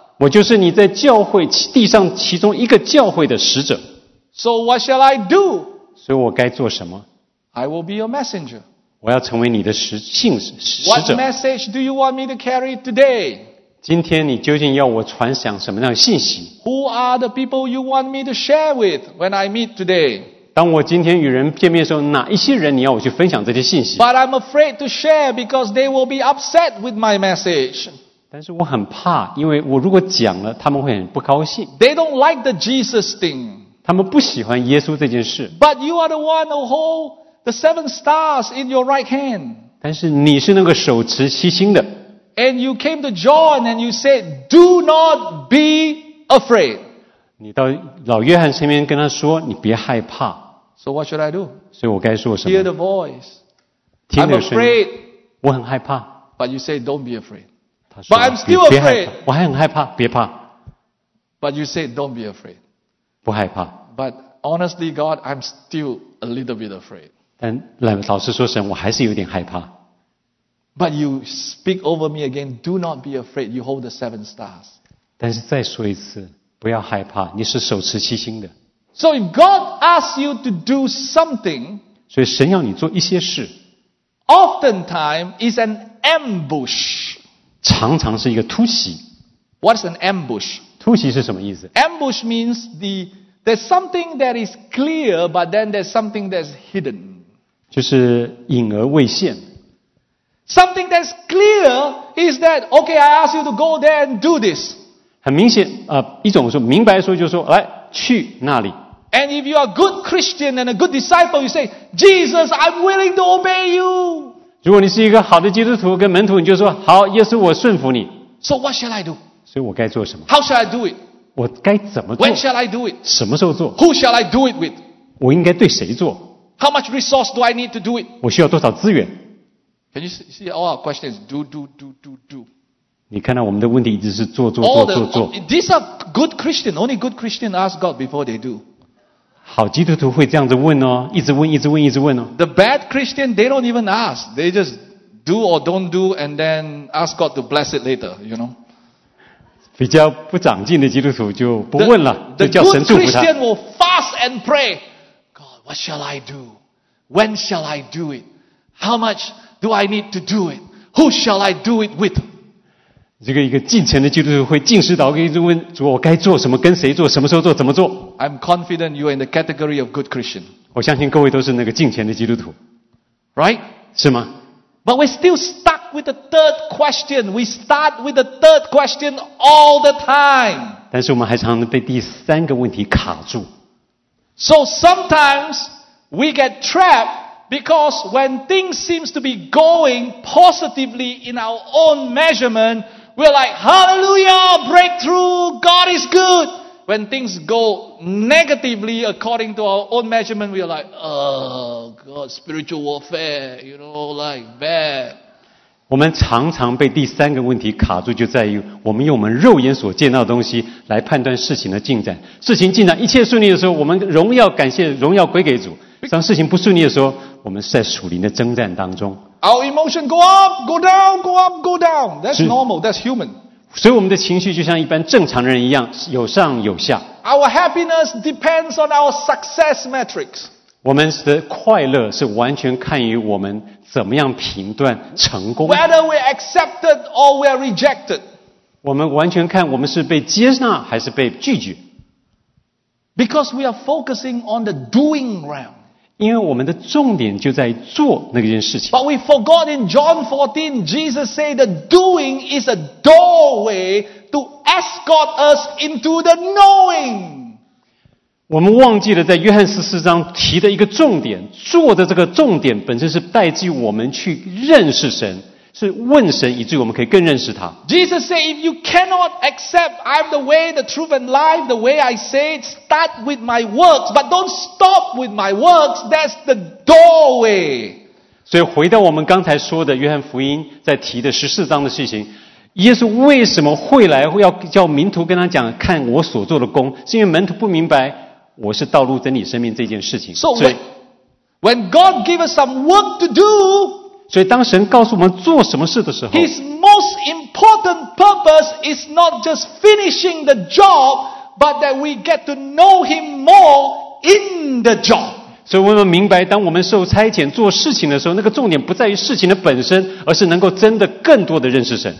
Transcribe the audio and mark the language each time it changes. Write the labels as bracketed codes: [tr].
[zh] 我就是你在教会地上其中一个教会的使者。 [en] So what shall I do? [zh] 所以我该做什么？ [en] I will be your messenger. [zh] 我要成为你的使信使者。 [en] What message do you want me to carry today? [zh] 今天你究竟要我传讲什么样的信息？ [en] Who are the people you want me to share with when I meet today? [zh] 当我今天与人见面的时候，哪一些人你要我去分享这些信息？ [en] But I'm afraid to share because they will be upset with my message. [zh] 但是我很怕，因为我如果讲了，他们会很不高兴。 [en] They don't like the Jesus thing. [zh] 他们不喜欢耶稣这件事。 [en] But you are the one who holds the seven stars in your right hand. [zh] 但是你是那个手持七星的。 [en] And you came to John and you said, do not be afraid. [zh] 你到老约翰身边跟他说，你别害怕。 [en] So what should I do? [zh] 所以我该说什么？ [en] Hear the voice. [zh] 听着声音。 [en] I'm afraid. [zh] 我很害怕。 [en] But you say, don't be afraid. [zh] 他说， [en] But I'm still afraid. [zh] 我还很害怕，别怕。 [en] But you say, don't be afraid. [zh] 不害怕。 [en] But honestly, God, I'm still a little bit afraid. [zh] 但老实说神，我还是有点害怕。 [en] But you speak over me again. Do not be afraid. You hold the seven stars. [zh] 但是再说一次，不要害怕，你是手持七星的。 [en] So if God asks you to do something, [zh] 所以神要你做一些事。 [en] Oftentimes is an ambush. [zh] 常常是一个突袭。 [en] What's an ambush? [zh] 突袭是什么意思？ [en] Ambush means there's something that is clear, but then there's something that's hidden. [zh] 就是隐而未现。 [en] Something that's clear is that, okay, I ask you to go there and do this. [zh] 很明显，一种说明白说就是说，来去那里。 [en] And if you are a good Christian and a good disciple, you say, Jesus, I'm willing to obey you. [zh] 如果你是一个好的基督徒跟门徒，你就说，好，耶稣，我顺服你。 [en] So what shall I do? [zh] 所以我该做什么？ [en] How shall I do it? [zh] 我该怎么做？ [en] When shall I do it? [zh] 什么时候做？ [en] Who shall I do it with? [zh] 我应该对谁做？ [en] How much resource do I need to do it? [zh] 我需要多少资源？ [en] Can you see all our questions? Do, do, do, do, do. [zh] 你看到我们的问题一直是做做做做做。 [en] These are good Christians. Only good Christians ask God before they do. [zh] 好基督徒会这样子问哦，一直问，一直问，一直问哦。 [en] The bad Christian, they don't even ask. They just do or don't do and then ask God to bless it later, you know. [zh] 比较不长进的基督徒就不问了，就叫神祝福他。 [en] The good Christian will fast and pray. What shall I do? When shall I do it? How much do I need to do it? Who shall I do it with? [zh] 这个一个敬虔的基督徒会进食祷告，一直问主：我该做什么？跟谁做？什么时候做？怎么做？ [en] I'm confident you are in the category of good Christian. [zh] 我相信各位都是那个敬虔的基督徒。 [en] Right? [zh] 是吗？ [en] But we're still stuck with the third question. We start with the third question all the time. [zh] 但是我们还常常被第三个问题卡住。 [en] So sometimes we get trapped Because when things seem to be going positively in our own measurement, we're like, hallelujah, breakthrough, God is good. When things go negatively according to our own measurement, we're like, oh, God, spiritual warfare, you know, like bad. [zh] 我们常常被第三个问题卡住，就在于我们用我们肉眼所见到的东西来判断事情的进展。事情进展一切顺利的时候，我们荣耀感谢，荣耀归给主。当事情不顺利的时候，我们是在属灵的征战当中。 [en] Our emotion go up, go down, go up, go down. That's normal. That's human. [zh] 所以我们的情绪就像一般正常人一样，有上有下。 [en] Our happiness depends on our success metrics. [zh] 我们的快乐是完全看于我们怎么样评断成功。 [en] Whether we're accepted or we're rejected. [zh] 我们完全看我们是被接纳还是被拒绝。 [en] Because we are focusing on the doing realm. [zh] 因为我们的重点就在做那件事情。 [en] But we forgot in John 14, Jesus said that doing is a doorway to escort us into the knowing. [zh] 我们忘记了在约翰十四章提的一个重点，做的这个重点本身是带进我们去认识神，是问神，以至于我们可以更认识他。 [en] Jesus said, if you cannot accept I'm the way, the truth and life, the way I say it, start with my works, but don't stop with my works, that's the doorway. [zh] 所以回到我们刚才说的约翰福音在提的十四章的事情，耶稣为什么会来要叫门徒跟他讲看我所做的功，是因为门徒不明白我是道路真理生命这件事情。所以 [en] when God gives us some work to do, [zh] 所以当神告诉我们做什么事的时候， [en] His most important purpose is not just finishing the job, but that we get to know Him more in the job. [zh] 所以我们明白当我们受差遣做事情的时候，那个重点不在于事情的本身，而是能够真的更多的认识神。